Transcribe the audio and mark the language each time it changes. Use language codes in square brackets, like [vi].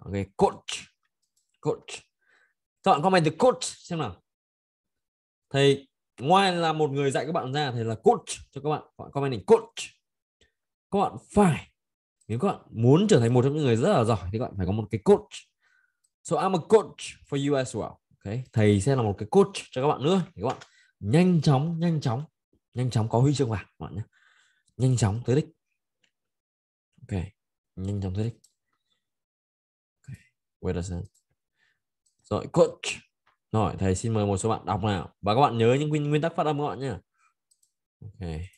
[vi] Ok, coach, coach. Các bạn comment từ coach xem nào. Thầy ngoài là một người dạy các bạn ra, thầy là coach cho các bạn. Các bạn comment thì coach. Các bạn phải, nếu các bạn muốn trở thành một trong những người rất là giỏi thì các bạn phải có một cái coach. [en] So I'm a coach for you as well. Okay. [vi] Thầy sẽ là một cái coach cho các bạn nữa. Thì các bạn nhanh chóng có huy chương vàng các bạn nhé. Nhanh chóng tới đích. Ok, nhanh chóng tới đích. Okay. [en] Wait a second. [vi] Rồi, coach. Rồi, thầy xin mời một số bạn đọc nào. Và các bạn nhớ những nguyên tắc phát âm các bạn nhé. Ok.